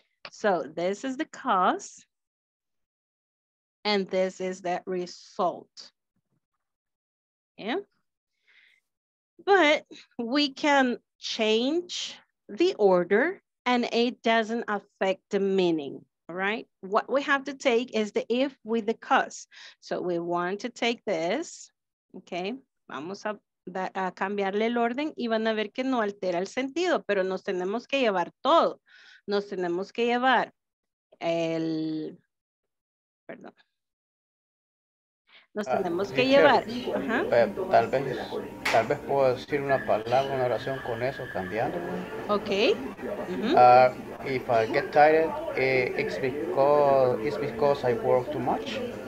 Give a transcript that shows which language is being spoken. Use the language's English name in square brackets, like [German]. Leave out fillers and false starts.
[English] So this is the cause and this is the result. Yeah. But we can change the order and it doesn't affect the meaning, right? What we have to take is the if with the cause. So we want to take this, okay? [Spanish] Vamos a cambiarle el orden y van a ver que no altera el sentido, pero nos tenemos que llevar todo. Nos tenemos que llevar el, perdón. Nos tenemos que llevar. Tal vez puedo decir una palabra, una oración con eso, cambiando. Ok. [English] If I get tired, it's because I work too much.